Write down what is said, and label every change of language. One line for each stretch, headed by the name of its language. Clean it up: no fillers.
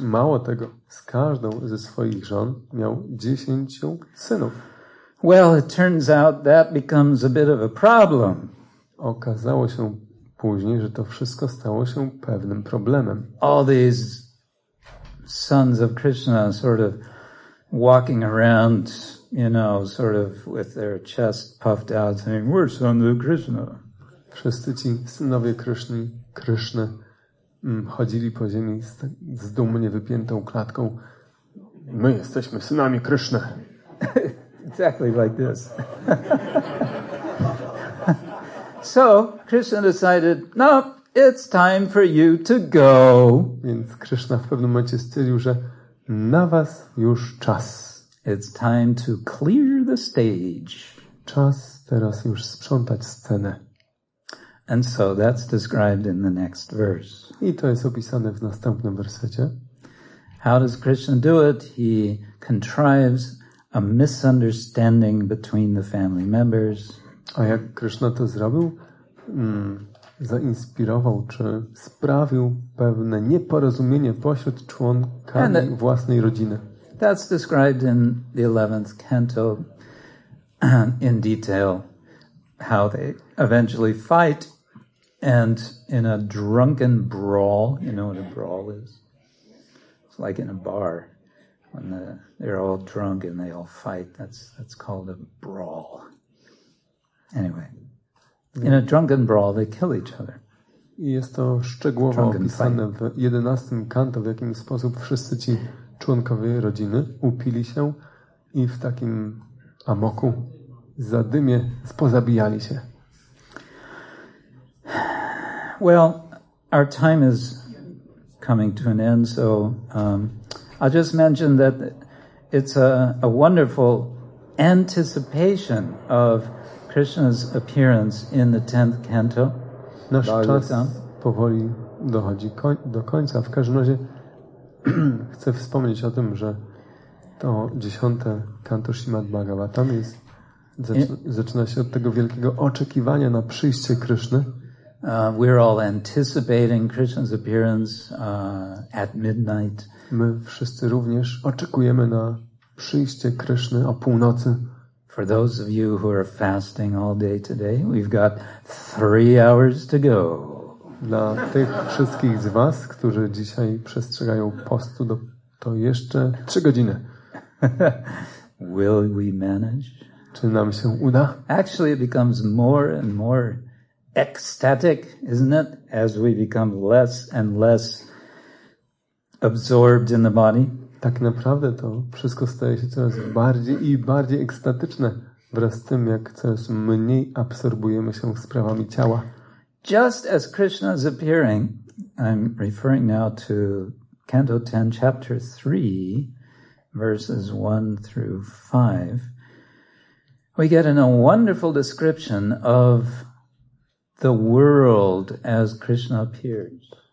Polish: Mało tego, z każdą ze swoich żon miał 10 synów.
English: Well, it turns out that becomes a bit of a problem.
Polish: Okazało się później, że to wszystko stało się pewnym problemem.
English: All these sons of Krishna sort of walking around, you know, sort of with their chest puffed out, saying, "We're sons of Krishna."
Polish: Wszyscy ci synowie Krishny chodzili po ziemi z dumnie wypiętą klatką. My jesteśmy synami Krishna.
English: Exactly like this. So Krishna decided, no, it's time for you to go.
Polish: Więc Krishna w pewnym momencie stwierdził, że na was już czas.
English: It's time to clear the stage.
Polish: Czas teraz już sprzątać scenę.
English: And so that's described in the next verse.
Polish: I to jest opisane w następnym wersecie.
English: How does Krishna do it? He contrives a misunderstanding between the family members.
Polish: A jak Krishna to zrobił? Zainspirował, czy sprawił pewne nieporozumienie pośród członkami that, własnej rodziny.
English: That's described in the 11th canto in detail how they eventually fight and in a drunken brawl. You know what a brawl is? It's like in a bar when they're all drunk and they all fight. That's called a brawl. Anyway, in a drunken brawl, they kill each other.
Polish: Jest to szczegółowo opisane w 11 kanto, w jakim sposób wszyscy ci członkowie rodziny upili się i w takim amoku, zadymie, pozabijali się.
English: Well, our time is coming to an end, so I'll just mention that it's a wonderful anticipation of Krishna's appearance in the 10th canto.
Polish: Nasz czas powoli dochodzi do końca. W każdym razie chcę wspomnieć o tym, że to 10 kanto Śrimad Bhagavatam jest zaczyna się od tego wielkiego oczekiwania na przyjście Kryszny.
English: We're all anticipating Krishna's appearance at midnight.
Polish: My wszyscy również oczekujemy na przyjście Kryszny o północy.
English: For those of you who are fasting all day today, we've got 3 hours to go.
Polish: Dla tych wszystkich z was, którzy dzisiaj przestrzegają postu, to jeszcze 3 godziny.
English: Will we manage?
Polish: Czy nam się uda?
English: Actually, it becomes more and more ecstatic, isn't it? As we become less and less absorbed in the body.
Polish: Tak naprawdę to wszystko staje się coraz bardziej i bardziej ekstatyczne wraz z tym, jak coraz mniej absorbujemy się sprawami ciała.
English: Just as Krishna is appearing, I'm referring now to Canto 10, Chapter 3, verses 1 through 5, we get in a wonderful description of the world as Krishna appears.